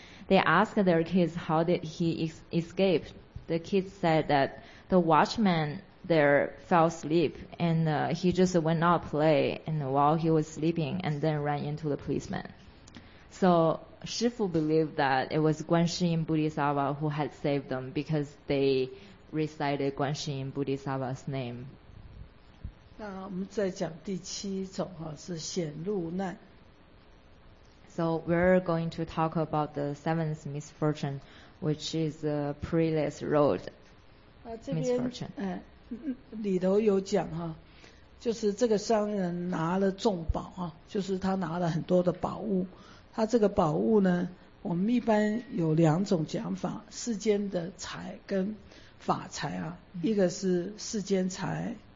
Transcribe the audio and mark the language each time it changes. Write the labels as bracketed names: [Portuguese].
[English] They asked their kids how did he escape. The kids said that the watchman there fell asleep and he just went out to play and while he was sleeping and then ran into the policeman. So Shi Fu believed that it was Guan Shi Yin Bodhisattva who had saved them because they...recited Guan Shi Yin Bodhisattva's name. [Chinese] 那我们再讲第七种哈，是显露难。 [English] So we're going to talk about the seventh misfortune, which is the perilous road misfortune. [Chinese] 里头有讲哈，就是这个商人拿了重宝哈，就是他拿了很多的宝物。他这个宝物呢，我们一般有两种讲法，世间的财跟法财啊，一个是世间财。